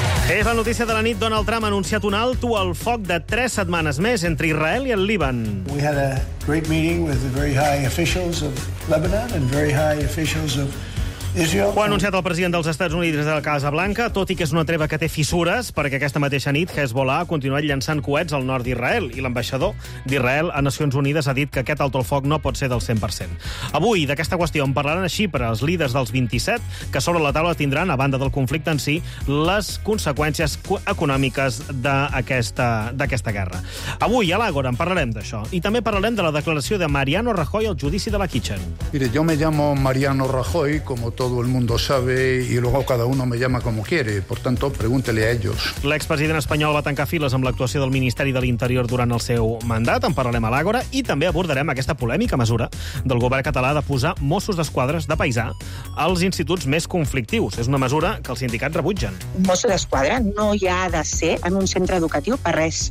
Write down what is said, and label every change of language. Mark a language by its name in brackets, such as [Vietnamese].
[Catalan] És la notícia de la nit. Donald Trump ha anunciat un alto al foc de 3 setmanes més entre Israel i el Líban. [English] We had a great meeting with the very high officials of Lebanon and very high officials of Israel. [Catalan] Ho ha anunciat el president dels Estats Units des de la Casa Blanca, tot i que és una treva que té fissures, perquè aquesta mateixa nit Hezbollah ha continuat llançant coets al nord d'Israel i l'ambaixador d'Israel a Nacions Unides ha dit que aquest alto el foc no pot ser del 100%. Avui, d'aquesta qüestió, en parlaran a Xipre els líders dels 27, que sobre la taula tindran, a banda del conflicte en si, les conseqüències econòmiques d'aquesta guerra. Avui, a l'Àgora, en parlarem d'això. I també parlarem de la declaració de Mariano Rajoy al judici de la Kitchen. [Spanish] Mire, yo me llamo Mariano Rajoy, como todo el mundo sabe, y luego cada uno me llama como quiere. Por tanto, pregúntele a ellos. [Catalan] L'expresident espanyol va tancar files amb l'actuació del Ministeri de l'Interior durant el seu mandat. En parlarem a l'Àgora i també abordarem aquesta polèmica mesura del govern català de posar Mossos d'Esquadres de paisà als instituts més conflictius. És una mesura que els sindicats rebutgen. Mossos d'Esquadra no hi ha de ser en un centre educatiu per res.